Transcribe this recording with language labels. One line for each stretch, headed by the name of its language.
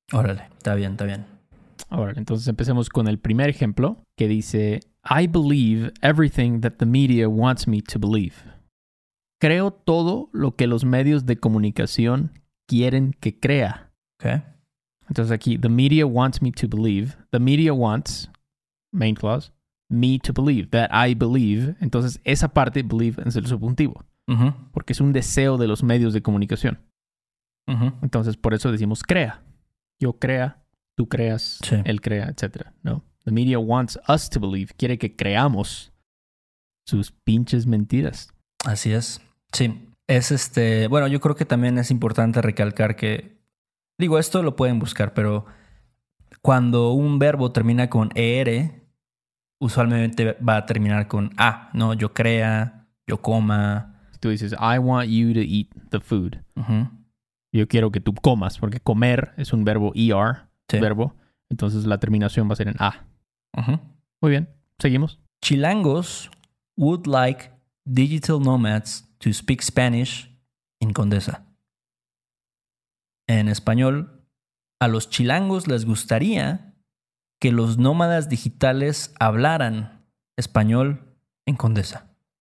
Spanish: Órale, está bien, está bien. Órale, entonces empecemos con el primer ejemplo que dice:
English: I believe everything that the media wants me to believe.
Spanish: Creo todo lo que los medios de comunicación quieren que crea.
English: Okay.
Spanish: Entonces aquí,
English: the media wants me to believe. The media wants, main clause, me to believe, that I believe.
Spanish: Entonces esa parte, believe, es el subjuntivo. Uh-huh. Porque es un deseo de los medios de comunicación. Uh-huh. Entonces por eso decimos crea. Yo crea. Tú creas, sí. Él crea, etcétera, ¿no?
English: The media wants us to believe.
Spanish: Quiere que creamos sus pinches mentiras. Así es. Sí. Es bueno, yo creo que también es importante recalcar que... Digo, esto lo pueden buscar, pero... Cuando un verbo termina con er, usualmente va a terminar con a, ¿no? Yo crea, yo coma. Tú dices,
English: I want you to eat the food. Uh-huh.
Spanish: Yo quiero que tú comas, porque comer es un verbo er. Sí. Verbo. Entonces, la terminación va a ser en A. Uh-huh. Muy bien. Seguimos.
English: Chilangos would like digital nomads to speak Spanish in Condesa.
Spanish: En español, a los chilangos les gustaría que los nómadas digitales hablaran español en Condesa.